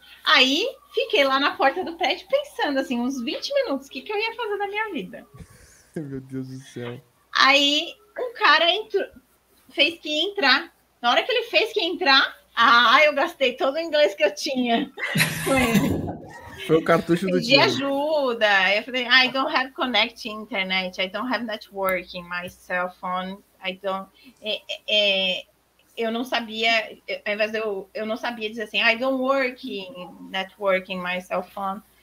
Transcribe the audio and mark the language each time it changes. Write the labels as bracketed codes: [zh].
[pt] Aí, fiquei lá na porta do prédio pensando, assim, uns 20 minutos, o que, que eu ia fazer da minha vida? Meu Deus do céu. Aí, um cara entrou, fez que ia entrar. Na hora que ele fez que ia entrar, ah, eu gastei todo o inglês que eu tinha com ele. Foi o cartucho do dia. De ajuda. Eu falei, [en] I don't have connecting internet, I don't have network in my cell phone, I don't... [pt] Eu não sabia, ao invés de eu não sabia dizer assim, [en] I don't work in networking my cell phone.